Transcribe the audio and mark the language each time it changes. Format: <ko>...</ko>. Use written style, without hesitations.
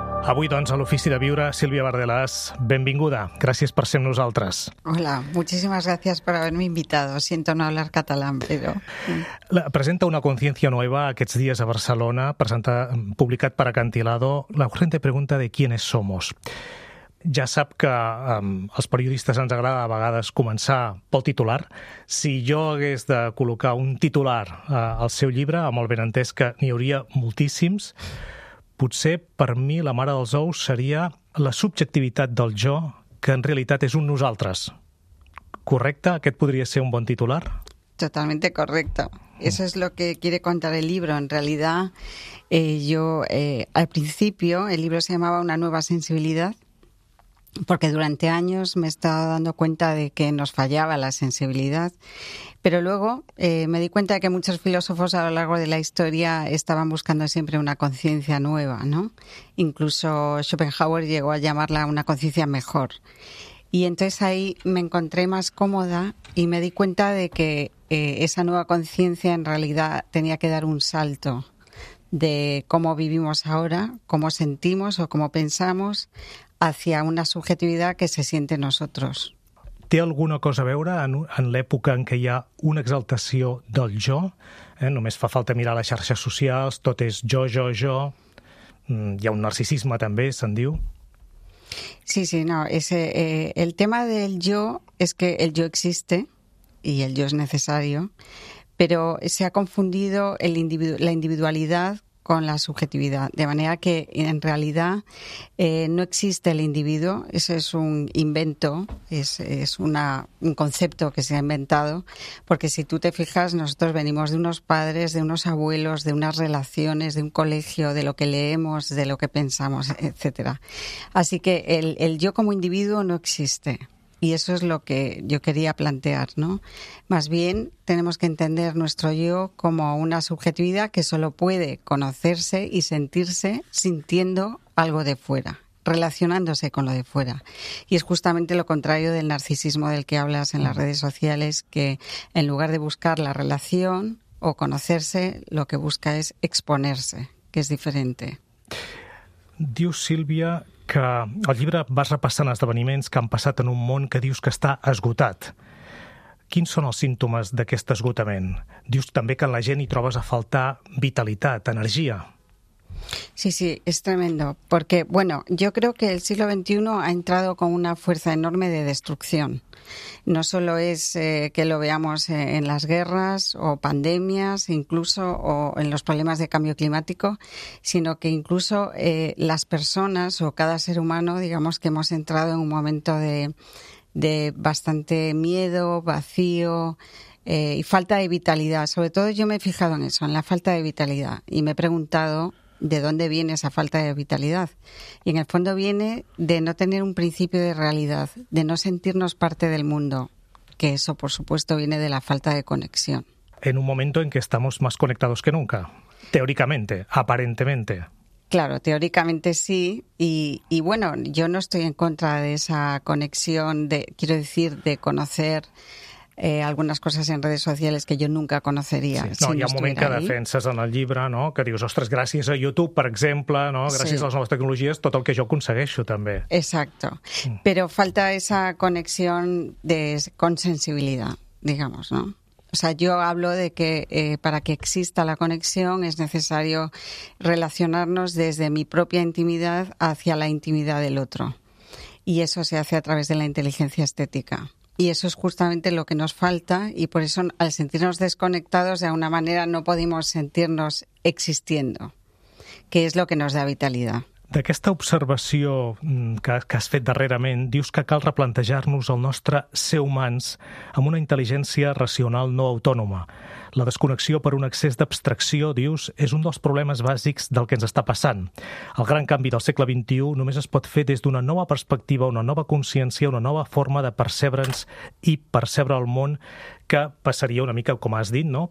<ca>Avui, doncs, a l'ofici de viure, Sílvia Bardelàs, benvinguda. Gràcies per ser amb nosaltres.</ca> <es>Hola, muchísimas gracias por haberme invitado. Siento no hablar catalán, pero...</es> <ca>Presenta Una consciència nova aquests dies a Barcelona, publicat per Acantilado.</ca> <es>La urgente pregunta de quiénes somos.</es> <ca>Ja sap que als periodistes ens agrada a vegades començar pel titular. Si jo hagués de col·locar un titular al seu llibre, amb el benentès que n'hi hauria moltíssims, potser per mi la mare dels ous seria la subjectivitat del jo, que en realitat és un nosaltres. Correcte? Aquest podria ser un bon titular?</ca> <es>Totalmente correcto. Eso es lo que quiere contar el libro. En realidad, al principio el libro se llamaba Una nueva sensibilidad porque durante años me he estado dando cuenta de que nos fallaba la sensibilidad. Pero luego me di cuenta de que muchos filósofos a lo largo de la historia estaban buscando siempre una conciencia nueva, ¿no? Incluso Schopenhauer llegó a llamarla una conciencia mejor. Y entonces ahí me encontré más cómoda y me di cuenta de que esa nueva conciencia en realidad tenía que dar un salto de cómo vivimos ahora, cómo sentimos o cómo pensamos, hacia una subjetividad que se siente en nosotros.</es> <ca>Té alguna cosa a veure en l'època en què hi ha una exaltació del jo? Només fa falta mirar les xarxes socials, tot és jo, jo, jo. Hi ha un narcisisme també, se'n diu.</ca> <es>Sí, sí, no.</es> <ca>El tema del jo és que el jo existe i el jo és necessari, però</ca> <es>se ha confundido la individualitat con la subjetividad, de manera que en realidad no existe el individuo, eso es un invento, es un concepto que se ha inventado, porque si tú te fijas, nosotros venimos de unos padres, de unos abuelos, de unas relaciones, de un colegio, de lo que leemos, de lo que pensamos, etcétera. Así que el yo como individuo no existe. Y eso es lo que yo quería plantear, ¿no? Más bien, tenemos que entender nuestro yo como una subjetividad que solo puede conocerse y sentirse sintiendo algo de fuera, relacionándose con lo de fuera. Y es justamente lo contrario del narcisismo del que hablas en las redes sociales, que en lugar de buscar la relación o conocerse, lo que busca es exponerse, que es diferente.</es> <ca>Dius, Sílvia, que al llibre vas repassant esdeveniments que han passat en un món que dius que està esgotat. Quins són els símptomes d'aquest esgotament? Dius també que en la gent hi trobes a faltar vitalitat, energia.</ca> <es>Sí, sí, es tremendo. Porque, bueno, yo creo que el siglo XXI ha entrado con una fuerza enorme de destrucción. No solo es que lo veamos en las guerras o pandemias, incluso, o en los problemas de cambio climático, sino que incluso las personas o cada ser humano, digamos que hemos entrado en un momento de bastante miedo, vacío, y falta de vitalidad. Sobre todo yo me he fijado en eso, en la falta de vitalidad, y me he preguntado ¿de dónde viene esa falta de vitalidad? Y en el fondo viene de no tener un principio de realidad, de no sentirnos parte del mundo, que eso, por supuesto, viene de la falta de conexión. En un momento en que estamos más conectados que nunca, teóricamente, aparentemente. Claro, teóricamente sí. Y bueno, yo no estoy en contra de esa conexión, de conocer</es> <ca>algunes coses</ca> <es>en redes sociales que jo nunca conocería.</es> <ca>Sí, no, hi ha un moment que defenses en el llibre, no? Que dius, ostres, gràcies a YouTube, per exemple, no? Gràcies sí. A les noves tecnologies, tot el que jo aconsegueixo, també.</ca> <es>Exacto. Però falta esa conexión con sensibilidad, digamos, ¿no? O sea, yo hablo de que para que exista la conexión es necesario relacionarnos desde mi propia intimidad hacia la intimidad del otro. Y eso se hace a través de la inteligencia estética. Y eso es justamente lo que nos falta y por eso al sentirnos desconectados de alguna manera no podemos sentirnos existiendo, que es lo que nos da vitalidad.</es> <ca>D'aquesta observació que has fet darrerament, dius que cal replantejar-nos el nostre ser humans amb una intel·ligència racional no autònoma. La desconnexió per un excés d'abstracció, dius, és un dels problemes bàsics del que ens està passant. El gran canvi del segle XXI només es pot fer des d'una nova perspectiva, una nova consciència, una nova forma de percebre'ns i percebre el món que passaria una mica, com has dit, no?</ca>